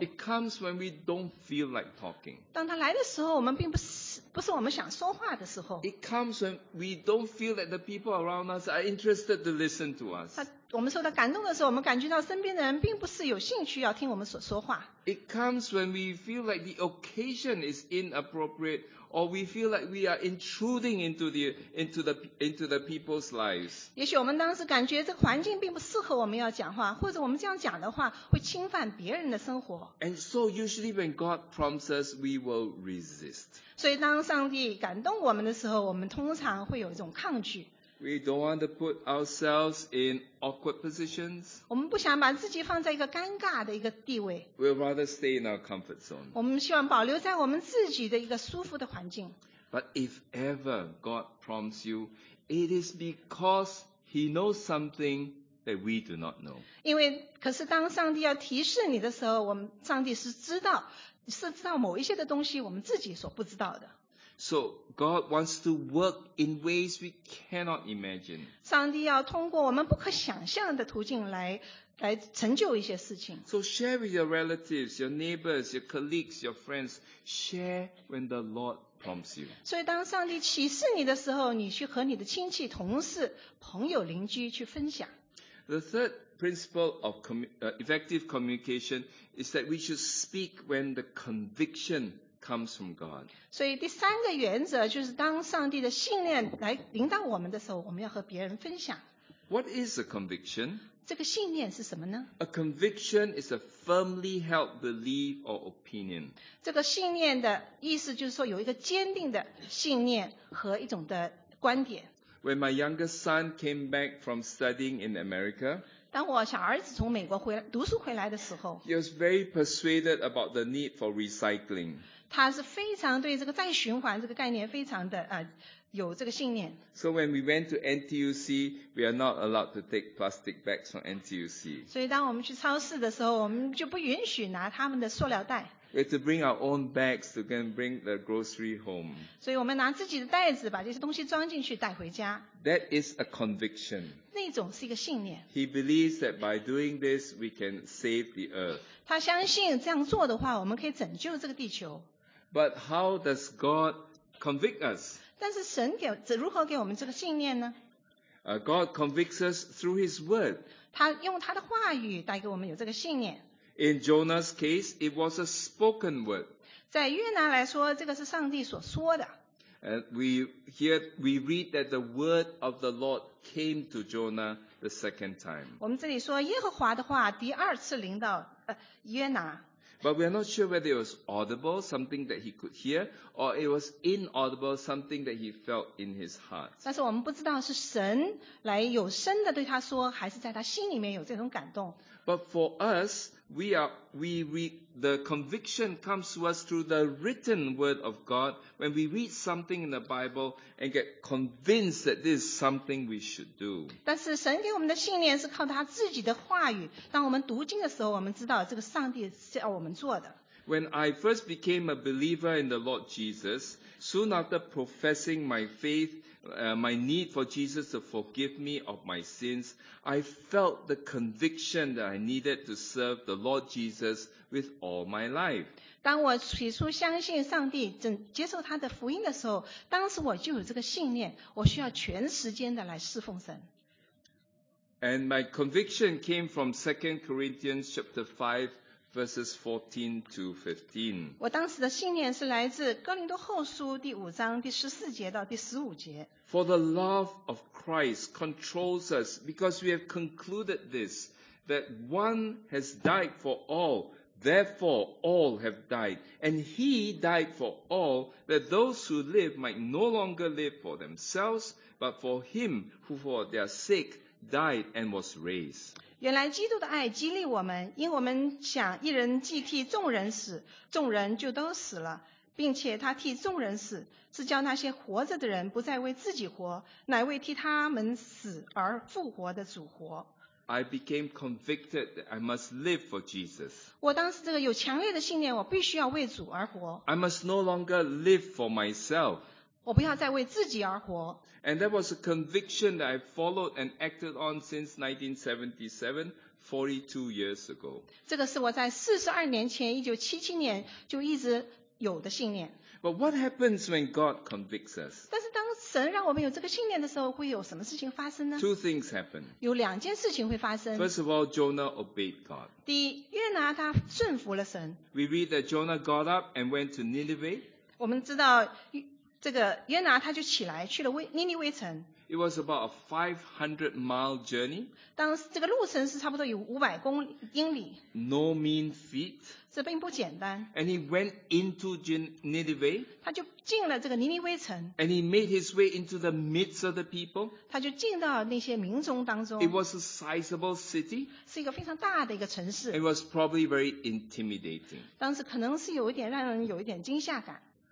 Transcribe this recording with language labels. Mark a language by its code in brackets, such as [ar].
[en] It comes when we don't feel like talking. [zh] 当他来的时候，我们并不是。不是我们想说话的时候。 [en] It comes when we don't feel that the people around us are interested to listen to us. [zh] 我们受到感动的时候，我们感觉到身边的人并不是有兴趣要听我们所说话。 [en] It comes when we feel like the occasion is inappropriate, or we feel like we are intruding into the people's lives. [zh] 也许我们当时感觉这个环境并不适合我们要讲话，或者我们这样讲的话会侵犯别人的生活。 [en] And so usually when God prompts us, we will resist. [zh] 所以当上帝感动我们的时候，我们通常会有一种抗拒。 [en] We don't want to put ourselves in awkward positions. [zh] 我们不想把自己放在一个尴尬的一个地位。 [en] We'd rather stay in our comfort zone. [zh] 我们希望保留在我们自己的一个舒服的环境。 [en] But if ever God prompts you, it is because He knows something that we do not know. [zh] 因为可是当上帝要提示你的时候，我们上帝是知道。是知道某一些的东西我们自己所不知道的。 [en] So God wants to work in ways we cannot imagine. [zh] 上帝要通过我们不可想象的途径 来成就一些事情。 [en] So share with your relatives, your neighbors, your colleagues, your friends. Share when the Lord prompts you. [zh] 所以当上帝启示你的时候，你去和你的亲戚、同事、朋友、邻居去分享。 [en] The third principle of effective communication is that we should speak when the conviction comes from God. [zh] 所以第三个原则就是当上帝的信念来临到我们的时候，我们要和别人分享。 [en] What is a conviction? [zh] 这个信念是什么呢？ [en] A conviction is a firmly held belief or opinion. [zh] 这个信念的意思就是说有一个坚定的信念和一种的观点。 [en] When my youngest son came back from studying in America, [zh] 当我小儿子从美国回来读书回来的时候， [en] he was very persuaded about the need for recycling. [zh] 他是非常对这个再循环这个概念非常的有这个信念。 [en] So when we went to NTUC, we are not allowed to take plastic bags from NTUC. [zh] 所以当我们去超市的时候，我们就不允许拿他们的塑料袋。 [en] We have to bring our own bags to bring the grocery home. [zh] 所以我们拿自己的袋子把这些东西装进去带回家。 [en] That is a conviction. [zh] 那种是一个信念。 [en] He believes that by doing this, we can save the earth. [zh] 他相信这样做的话，我们可以拯救这个地球。 [en] But how does God convict us? [zh] 但是神给如何给我们这个信念呢？ [en] God convicts us through His word. [zh] 他用他的话语带给我们有这个信念。 [en] In Jonah's case, it was a spoken word. [zh] 在约拿来说，这个是上帝所说的。 [en] And we read that the word of the Lord came to Jonah the second time. [zh] 我们这里说耶和华的话第二次临到约拿。 [en] But we are not sure whether it was audible, something that he could hear, or it was inaudible, something that he felt in his heart. [zh] 但是我们不知道是神来有声的对他说，还是在他心里面有这种感动。 [en] But for us, the conviction comes to us through the written word of God when we read something in the Bible and get convinced that this is something we should do. [zh] 但是神给我们的信念是靠他自己的话语。当我们读经的时候，我们知道这个上帝是要我们做的。 [en] When I first became a believer in the Lord Jesus, soon after professing my faith, my need for Jesus to forgive me of my sins, I felt the conviction that I needed to serve the Lord Jesus with all my life. [zh] 当我起初相信上帝，接受他的福音的时候，当时我就有这个信念，我需要全时间的来侍奉神。 [en] And my conviction came from 2 Corinthians chapter 5,Verses 14 to 15. [zh] 我当时的信念是来自哥林多后书第五章第十四节到第十五节。 [en] For the love of Christ controls us because we have concluded this, that one has died for all, therefore all have died, and he died for all, that those who live might no longer live for themselves, but for him who for their sake died and was raised. [zh] 原来基督的爱激励我们，因我们想一人既替众人死，众人就都死了，并且他替众人死，是叫那些活着的人不再为自己活，乃为替他们死而复活的主活。 [en] I became convicted that I must live for Jesus. [zh] 我当时这个有强烈的信念，我必须要为主而活。 [en] I must no longer live for myself. [zh] 我不要再为自己而活。 [en] And that was a conviction that I followed and acted on since 1977, 42 years ago. [zh] 这个是我在42年前1977年就一直有的信念。 [en] But what happens when God convicts us? [zh] 但是当神让我们有这个信念的时候，会有什么事情发生呢？ [en] Two things happen. [zh] 有两件事情会发生。 [en] First of all, Jonah obeyed God. [zh] 第一，约拿他顺服了神。 [en] We read that Jonah got up and went to Nineveh. [zh] 我们知道这个约拿他就起来去了尼尼微城。 [en] It was about a 500 mile journey. [zh] 当时这个路程是差不多有500公英里。 [en] No mean feat. [zh] 这并不简单。 [en] And he went into Nineveh. [zh] 他就进了这个尼尼微城。 [en] And he made his way into the midst of the people. [zh] 他就进到那些民众当中。 [en] It was a sizable city. [zh] 是一个非常大的一个城市。 [en] It was probably very intimidating. [zh] 当时可能是有一点让人有一点惊吓感。